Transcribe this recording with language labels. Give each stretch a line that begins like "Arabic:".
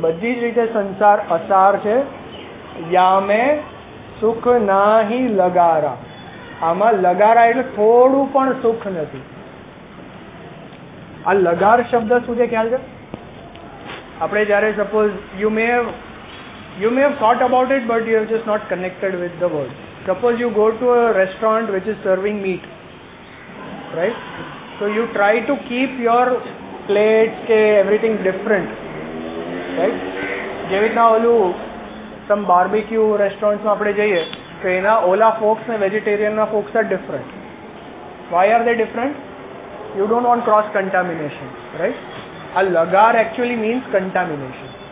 Gujarati: બધી જ રીતે સંસાર અસાર છે. યામે સુખ નાહી લગારા, આમાં લગારા એટલે થોડું પણ સુખ નથી. આ લગાર શબ્દ શું છે ખ્યાલ છે? આપણે જ્યારે
English: Suppose you may have thought about it but you have just not connected with the world. Suppose you go to a restaurant which is serving meat, right? So you try to keep your plates, everything different, right?
Gujarati: જેવી રીતના ઓલું
English: some barbecue રેસ્ટોરન્ટમાં
Gujarati: આપણે જઈએ તો એના ઓલા
English: Forks ને વેજીટેરિયનના forks are different. Why are they different? You don't want cross contamination, right? આ લગાર actually means contamination.